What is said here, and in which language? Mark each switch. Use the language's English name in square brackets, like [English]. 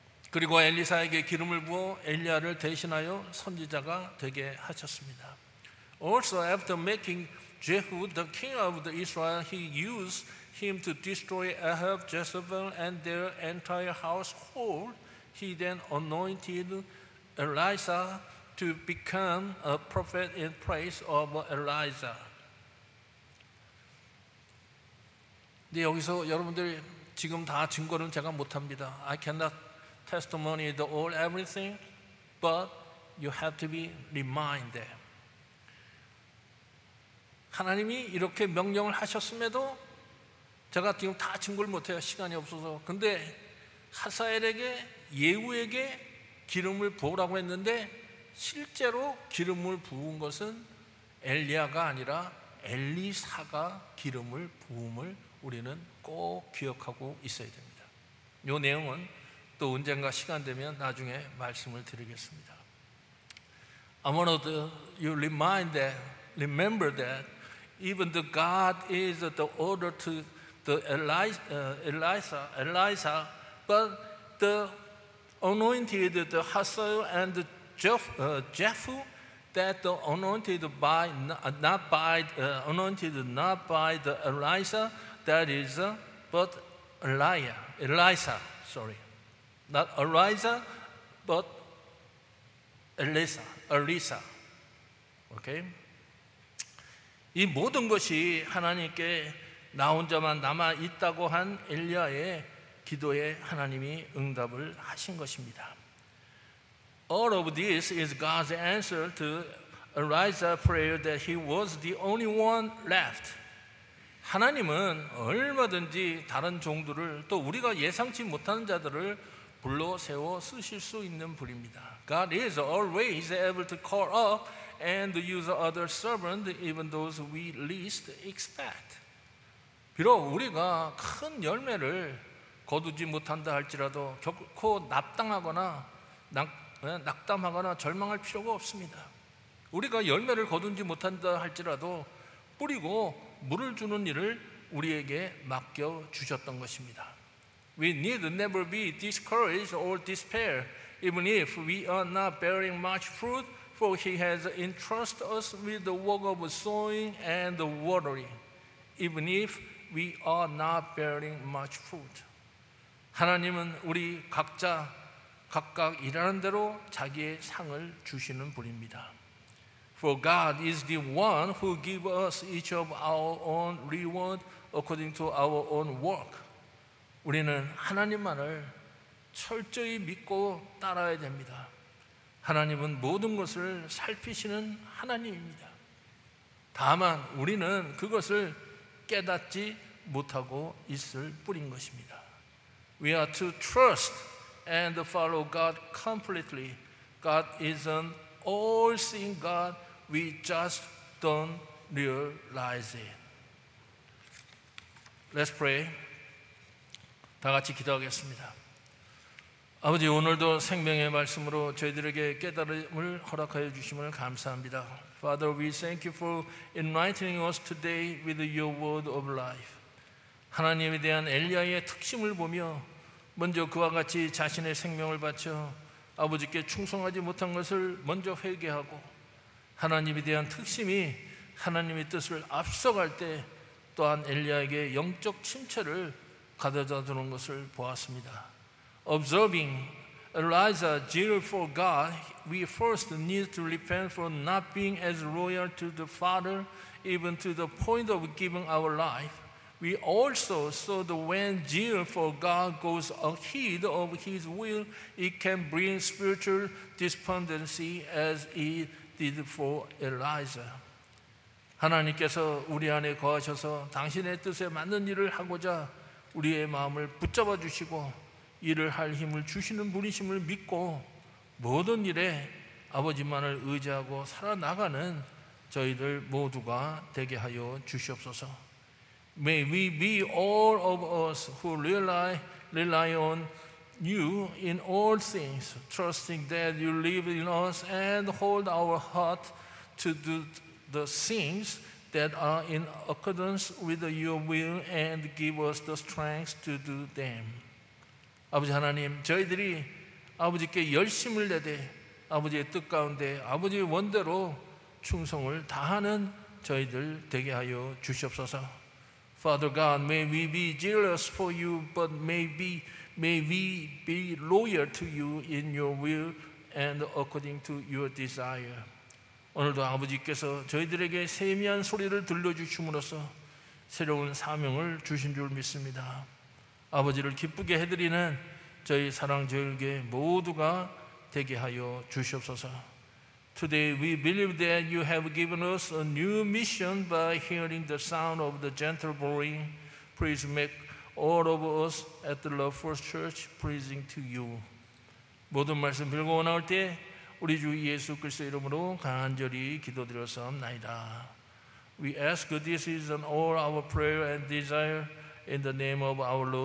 [Korean] 그리고 엘리사에게 기름을 부어 엘리야를 대신하여 선지자가 되게 하셨습니다. [English] Also after making Jehu the king of the Israel, he used him to destroy Ahab, Jezebel and their entire household. He then anointed Elisha to become a prophet in place of Elisha. [Korean] 네, 여기서 여러분들 지금 다 증거는 제가 못합니다. [English] I cannot testimony the all everything, but you have to be reminded. [Korean] 하나님이 이렇게 명령을 하셨음에도 제가 지금 다 증거를 못해요. 시간이 없어서. 근데 하사엘에게 예후에게 기름을 부으라고 했는데 실제로 기름을 부은 것은 엘리야가 아니라 엘리사가 기름을 부음을 우리는 꼭 기억하고 있어야 됩니다. 이 내용은 또 언젠가 시간 되면 나중에 말씀을 드리겠습니다. [English] I want to you remind that, remember that even the God is the order to the Elisha, but the anointed the Hassel and the Jehu that the anointed by not by anointed not by the Elisha that is but Elisha, sorry. Not Elisha, but Elisha. Okay. [Korean] 이 모든 것이 하나님께 나 혼자만 남아 있다고 한 엘리야의 기도에 하나님이 응답을 하신 것입니다. [English] All of this is God's answer to Elisha's prayer that he was the only one left. [Korean] 하나님은 얼마든지 다른 종들을 또 우리가 예상치 못하는 자들을 불러 세워 쓰실 수 있는 분입니다. [English] God is always able to call up and use other servants, even those we least expect. [Korean] 비록 우리가 큰 열매를 거두지 못한다 할지라도 결코 낙담하거나 절망할 필요가 없습니다. 우리가 열매를 거두지 못한다 할지라도 뿌리고 물을 주는 일을 우리에게 맡겨 주셨던 것입니다. [English] We need never be discouraged or despair, even if we are not bearing much fruit, for he has entrusted us with the work of sowing and watering, even if we are not bearing much fruit. [Korean] 하나님은 우리 각자 각각 일하는 대로 자기의 상을 주시는 분입니다. [English] For God is the one who gives us each of our own reward according to our own work. [Korean] 우리는 하나님만을 철저히 믿고 따라야 됩니다. 하나님은 모든 것을 살피시는 하나님입니다. 다만 우리는 그것을 깨닫지 못하고 있을 뿐인 것입니다. [English] We are to trust and follow God completely. God is an all-seeing God. We just don't realize it. Let's pray. [Korean] 다 같이 기도하겠습니다. 아버지 오늘도 생명의 말씀으로 저희들에게 깨달음을 허락하여 주심을 감사합니다. [English] Father, we thank you for enlightening us today with your word of life. [Korean] 하나님에 대한 엘리야의 특심을 보며 먼저 그와 같이 자신의 생명을 바쳐 아버지께 충성하지 못한 것을 먼저 회개하고 하나님에 대한 특심이 하나님의 뜻을 앞서갈 때 또한 엘리야에게 영적 침체를 가져다 주는 것을 보았습니다. [English] Observing Elijah's zeal for God, we first need to repent for not being as loyal to the Father, even to the point of giving our life. We also saw that when zeal for God goes ahead of His will, it can bring spiritual despondency as it did for Elijah. [Korean] 하나님께서 우리 안에 거하셔서 당신의 뜻에 맞는 일을 하고자 우리의 마음을 붙잡아 주시고 일을 할 힘을 주시는 분이심을 믿고 모든 일에 아버지만을 의지하고 살아나가는 저희들 모두가 되게 하여 주시옵소서. [English] May we be all of us who rely on you in all things, trusting that you live in us and hold our heart to do the things that are in accordance with your will and give us the strength to do them. [Korean] 아버지 하나님, 저희들이 아버지께 열심을 내되 아버지의 뜻 가운데 아버지의 원대로 충성을 다하는 저희들 되게 하여 주시옵소서. [English] Father God, may we be zealous for you, but may we be loyal to you in your will and according to your desire. [Korean] 오늘도 아버지께서 저희들에게 세미한 소리를 들려주심으로써 새로운 사명을 주신 줄 믿습니다. 아버지를 기쁘게 해드리는 저희 사랑 저희에게 모두가 되게 하여 주시옵소서. [English] Today we believe that you have given us a new mission by hearing the sound of the gentle bawling. Please make all of us at the Love First Church pleasing to you. [Korean] 모든 말씀 빌고 나올 때 우리 주 예수 그리스도 이름으로 간절히 기도드렸사옵나이다. [English] We ask this is all our prayer and desire in the name of our Lord.